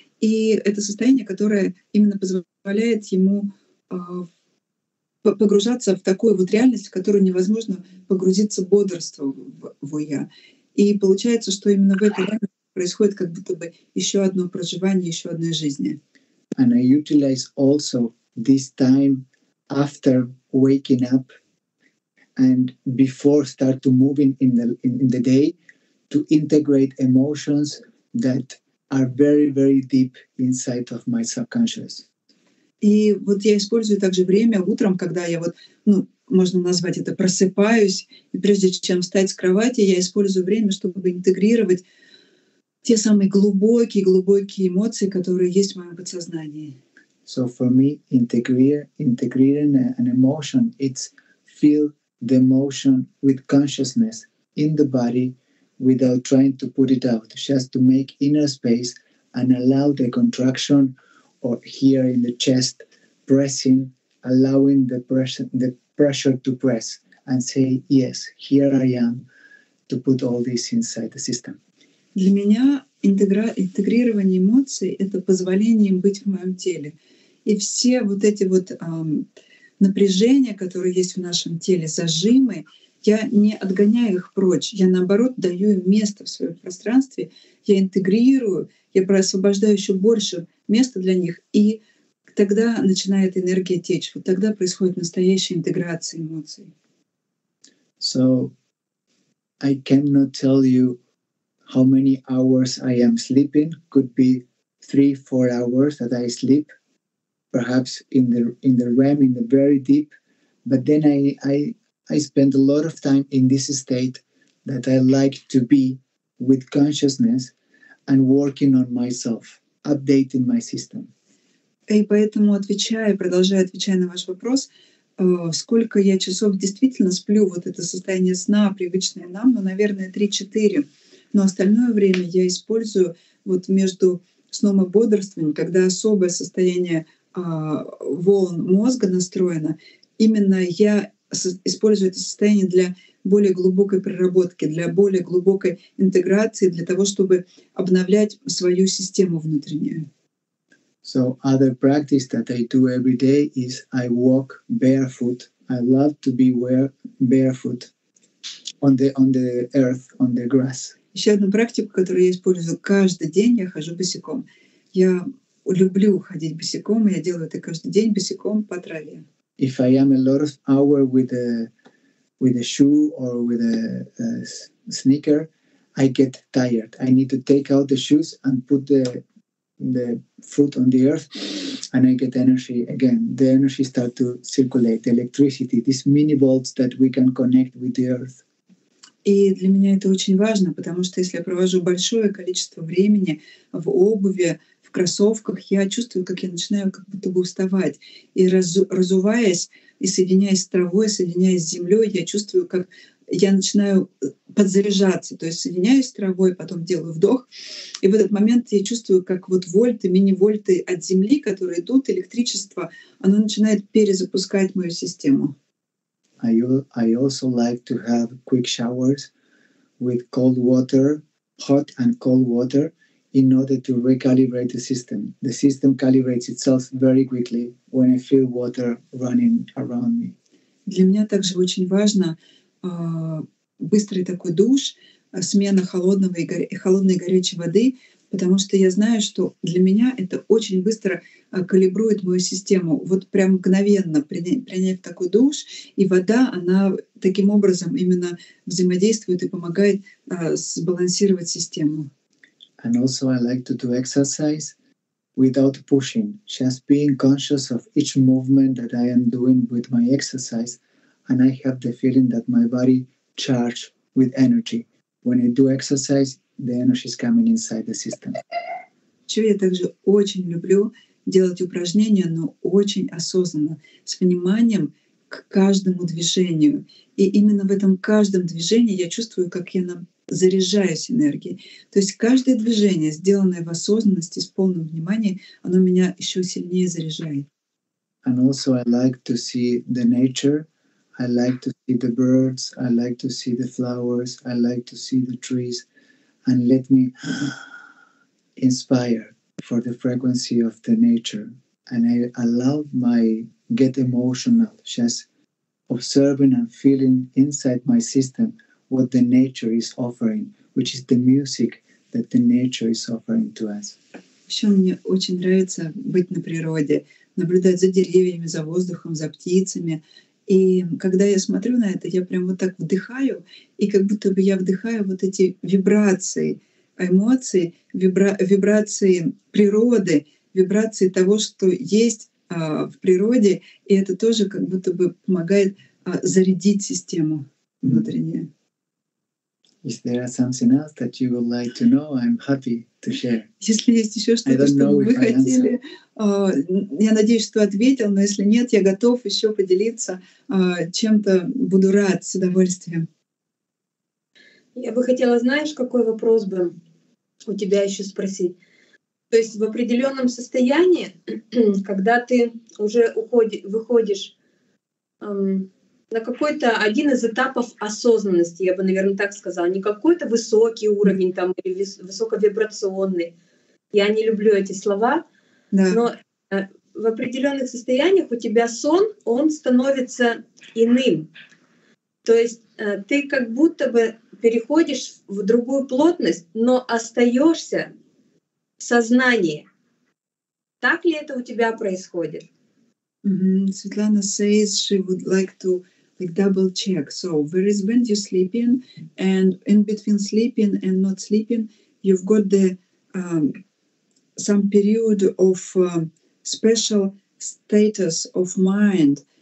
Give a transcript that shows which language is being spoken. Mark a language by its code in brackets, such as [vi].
[ru] И это состояние, которое именно позволяет ему погружаться в такую вот реальность, в которую невозможно погрузиться бодрство в я. И получается, что именно в этой реальности происходит как будто бы еще одно проживание, еще одной жизни. [en] And I utilize also this time after waking up and before start to moving in the day to integrate emotions that are very, very deep inside of my subconscious. [ru] И вот я использую также время утром, когда я вот, ну, можно назвать это, просыпаюсь, и прежде чем встать с кровати, я использую время, чтобы интегрировать те самые глубокие эмоции, которые есть в моем подсознании. [en] So for me, integrating an emotion, it's feel the emotion with consciousness in the body, without trying to put it out, just to make inner space and allow the contraction or here in the chest, pressing, allowing the pressure to press and say, yes, here I am, to put all this inside the system. [ru] Для меня интегрирование эмоций — это позволение им быть в моем теле. и все вот эти вот напряжения, которые есть в нашем теле, зажимы, я не отгоняю их прочь, я наоборот даю им место в своем пространстве, я интегрирую, я освобождаю еще больше места для них, и тогда начинает энергия течь, вот тогда происходит настоящая интеграция эмоций. [en] So I cannot tell you how many hours I am sleeping. Could be 3-4 hours that I sleep, perhaps in the REM, in the very deep. But then I spend a lot of time in this state that I like to be with consciousness and working on myself, updating my system. [ru] И поэтому продолжая отвечать на ваш вопрос, сколько я часов действительно сплю, вот это состояние сна, привычное нам, ну, наверное, 3-4. Но остальное время я использую вот между сном и бодрствованием, когда особое состояние волн мозга настроено, именно я использую это состояние для более глубокой проработки, для более глубокой интеграции, для того, чтобы обновлять свою систему внутреннюю. [en] So other practice that I do every day is I walk barefoot. I love to be barefoot on the earth, on the grass. [ru] Еще одну практику, которую я использую каждый день, я хожу босиком. Я люблю ходить босиком, и я делаю это каждый день босиком по траве. [en] If I am a lot of hour with a shoe or with a sneaker, I get tired. I need to take out the shoes and put the foot on the earth, and I get energy again. The energy starts to circulate, the electricity, these mini volts that we can connect with the earth. [ru] И для меня это очень важно, потому что если я провожу большое количество времени в обуви, в кроссовках, я чувствую, как я начинаю как будто бы уставать. И разуваясь и соединяясь с травой, соединяясь с землей, я чувствую, как я начинаю подзаряжаться, то есть соединяюсь с травой, потом делаю вдох, и в этот момент я чувствую, как вот вольты, мини-вольты от земли, которые идут, электричество, оно начинает перезапускать мою систему. [en] I also like to have quick showers with cold water, hot and cold water, in order to recalibrate the system. The system calibrates itself very quickly when I feel water running around me. [ru] Для меня также очень важно быстрый такой душ, смена холодной и горячей воды, потому что я знаю, что для меня это очень быстро калибрует мою систему. Вот прям мгновенно приняв такой душ, и вода, она таким образом именно взаимодействует и помогает сбалансировать систему. [en] And also I like to do exercise without pushing, just being conscious of each movement that I am doing with my exercise. And I have the feeling that my body charged with energy. When I do exercise, the energy is coming inside the system. [ru] Чего я также очень люблю делать упражнения, но очень осознанно, с вниманием к каждому движению. И именно в этом каждом движении я чувствую, как я заряжаюсь энергией. То есть каждое движение, сделанное в осознанности, с полным вниманием, оно меня еще сильнее заряжает. [en] And also I like to see the nature. I like to see the birds, I like to see the flowers, I like to see the trees, and let me inspire for the frequency of the nature. And I allow my get emotional, just observing and feeling inside my system what the nature is offering, which is the music that the nature is offering to us. [ru] Еще мне очень нравится быть на природе, наблюдать за деревьями, за воздухом, за птицами. И когда я смотрю на это, я прям вот так вдыхаю, и как будто бы я вдыхаю вот эти вибрации, эмоции, вибрации природы, вибрации того, что есть в природе, и это тоже как будто бы помогает зарядить систему внутреннюю. [en] Is there something else that you would like to know? I'm happy to share. [ru] Если есть еще что-то, что вы хотели, я надеюсь, что ответил, но если нет, я готов еще поделиться чем-то, буду рад, с удовольствием. Я бы хотела, знаешь, какой вопрос бы у тебя еще спросить? То есть в определенном состоянии, когда ты уже выходишь на какой-то один из этапов осознанности, я бы, наверное, так сказала, не какой-то высокий уровень там или высоковибрационный. Я не люблю эти слова, да. Но в определенных состояниях у тебя сон, он становится иным. То есть ты как будто бы переходишь в другую плотность, но остаешься в сознании. Так ли это у тебя происходит? [en] Светлана says she would like to like double check. So where is when you're sleeping and in between sleeping and not sleeping, you've got the some period of special status of mind.